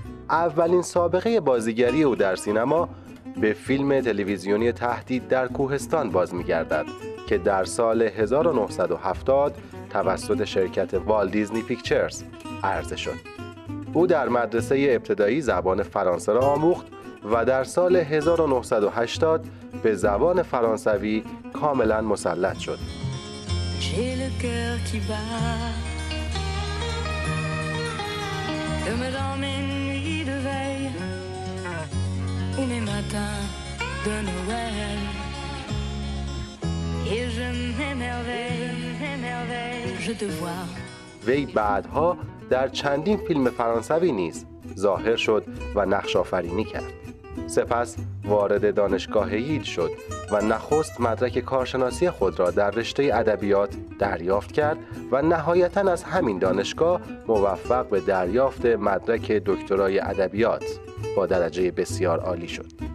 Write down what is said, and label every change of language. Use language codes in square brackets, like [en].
[fa] اولین سابقه بازیگری او در سینما به فیلم تلویزیونی تهدید در کوهستان باز می‌گردد که در سال 1970 توسط شرکت والت دیزنی پیکچرز عرضه شد. او در مدرسه ابتدایی زبان فرانسه را آموخت و در سال 1980 به زبان فرانسوی کاملا مسلط شد. [fr] J'ai le cœur qui bat Comme dans mes nuits de veille Ou mes matins de Noël Et je m'émerveille Je te vois [fa] وی بعدها در چندین فیلم فرانسوی نیز ظاهر شد و نقش آفرینی کرد. سپس وارد دانشگاه ییل شد و نخست مدرک کارشناسی خود را در رشته ادبیات دریافت کرد و نهایتاً از همین دانشگاه موفق به دریافت مدرک دکترای ادبیات با درجه بسیار عالی شد.